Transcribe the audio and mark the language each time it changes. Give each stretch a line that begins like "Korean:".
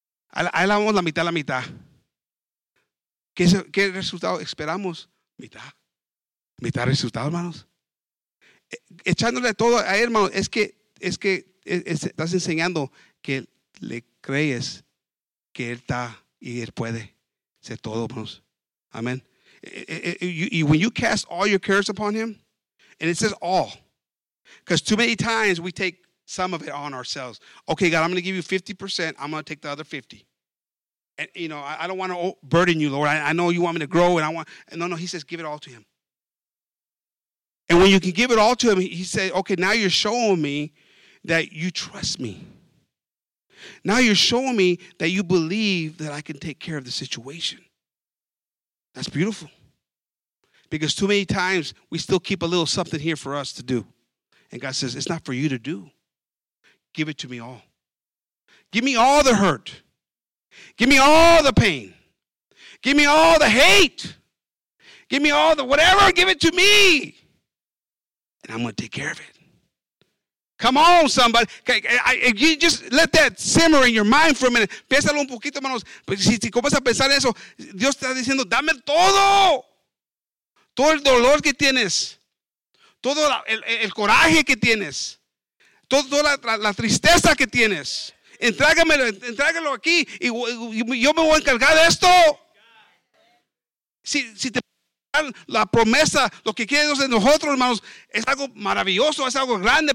Spanish: Ahí le damos la mitad. ¿Qué resultado esperamos? Mitad. Mitad resultado, hermanos. Echándole todo a él, hermanos, es que estás enseñando que le crees que él está y él puede ser todo, hermanos. Amén.
English: When you cast all your cares upon him, and it says all, because too many times we take some of it on ourselves. Okay, God, I'm going to give you 50%. I'm going to take the other 50. And, you know, I don't want to burden you, Lord. I know you want me to grow, and I want. No, he says, give it all to him. And when you can give it all to him, he said, okay, now you're showing me that you trust me. Now you're showing me that you believe that I can take care of the situation. That's beautiful. Because too many times we still keep a little something here for us to do. And God says, it's not for you to do. Give it to me all. Give me all the hurt. Give me all the pain. Give me all the hate. Give me all the whatever. Give it to me. And I'm going to take care of it. Come on, somebody. You just let that simmer in your mind for a minute.
Spanish: Piénsalo un poquito, hermanos. Porque si comienzas a pensar eso, Dios está diciendo, dame todo. Todo el dolor que tienes. Todo el coraje que tienes. Toda la tristeza que tienes. Entrágamelo, entrágalo aquí. Y yo me voy a encargar de esto. Si te dan la promesa, lo que quiere Dios de nosotros, hermanos, es algo maravilloso, es algo grande.